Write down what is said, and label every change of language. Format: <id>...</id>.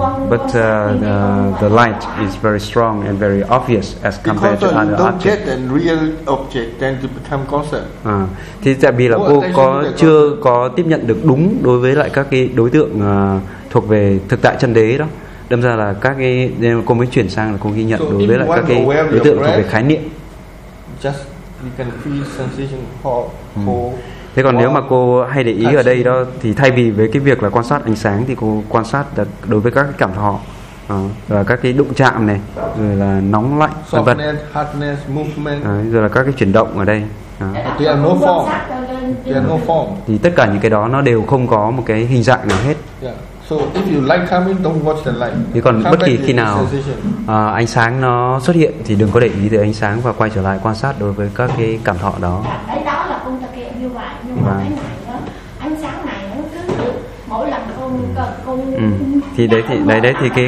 <en>But the light is very strong and very obvious as compared to other objects. And real object tend to become concept.</en> <vi>À, thì tại vì là cô có chưa có tiếp nhận được đúng đối với lại các cái đối tượng thuộc về thực tại chân đế đó. Đâm ra là các cái nên cô mới chuyển sang là cô ghi nhận đối với lại các cái đối tượng thuộc về khái niệm.</vi> <en>Just we can feel sensation for.</en> <vi>Thế còn nếu mà cô hay để ý ở đây đó thì thay vì với cái việc là quan sát ánh sáng thì cô quan sát được đối với các cảm thọ và các cái đụng chạm này, rồi là nóng lạnh, vân vân.</vi> <en>Hardness, movement.</en> <vi>Rồi là các cái chuyển động ở đây.</vi> <en>There are no form.</en> <vi>Thì tất cả những cái đó nó đều không có một cái hình dạng nào hết.</vi> <en>Yeah. So if you like coming, don't watch the light.</en> <vi>Thì còn bất kỳ khi nào ánh sáng nó xuất hiện thì đừng có để ý tới ánh sáng và quay trở lại quan sát đối với các cái cảm thọ đó. Đấy, đó là con thực hiện như vậy. Nhưng mà cái này đó, ánh sáng này nó cứ mỗi lần con thì đấy thì đấy đấy thì cái</vi>